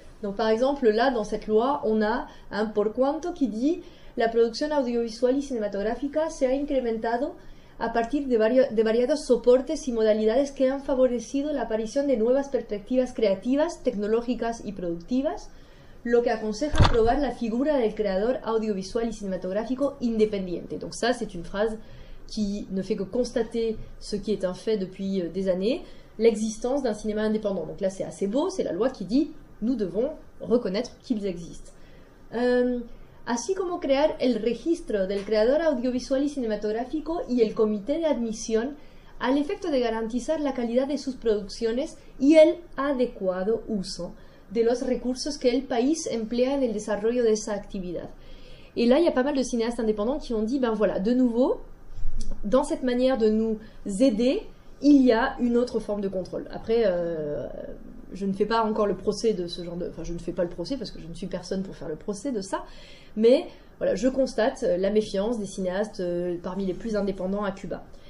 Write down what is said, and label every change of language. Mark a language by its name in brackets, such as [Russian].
[French] Donc par exemple, là, dans cette loi, on a un por cuanto qui dit la production audiovisuelle et cinématographique [Spanish] se ha incrementado à partir de variados soportes y modalidades que han favorecido la aparición de nuevas perspectivas creativas, tecnológicas y productivas, lo que aconseja probar la figura del creador audiovisual y cinematográfico independiente. [French] Donc ça, c'est une phrase qui ne fait que constater ce qui est un fait depuis des années, l'existence d'un cinéma indépendant. Donc là, c'est assez beau, c'est la loi qui dit, nous devons reconnaître qu'ils existent. [Spanish] Así como crear el registro del creador audiovisual y cinematográfico y el comité de admisión al efecto de garantizar la calidad de sus producciones y el adecuado uso de los recursos que el país emplea en el desarrollo de esa actividad. [French] Et là, il y a pas mal de cinéastes indépendants qui ont dit, ben voilà, de nouveau, dans cette manière de nous aider, il y a une autre forme de contrôle. Après, je ne fais pas encore le procès de ce genre de... Enfin, je ne fais pas le procès parce que je ne suis personne pour faire le procès de ça. Mais voilà, je constate la méfiance des cinéastes parmi les plus indépendants à Cuba.